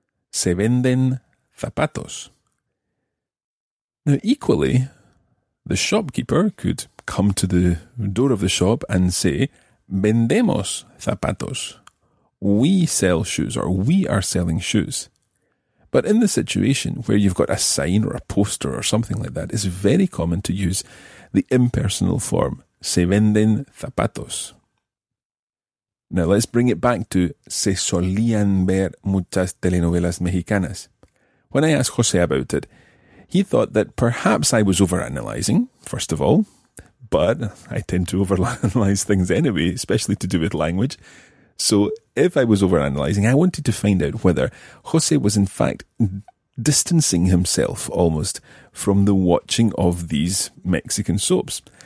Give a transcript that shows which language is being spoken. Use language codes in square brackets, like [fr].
[es] Se venden zapatos. [en] Now equally, the shopkeeper could come to the door of the shop and say, [es] vendemos zapatos. [en] We sell shoes, or we are selling shoes. But in the situation where you've got a sign or a poster or something like that, it's very common to use the impersonal form, [es] se venden zapatos. [en] Now let's bring it back to [es] se solían ver muchas telenovelas mexicanas. [en] When I asked José about it, he thought that perhaps I was overanalyzing, first of all, but I tend to overanalyze things anyway, especially to do with language. So if I was overanalyzing, I wanted to find out whether José was in fact distancing himself almost from the watching of these Mexican soaps.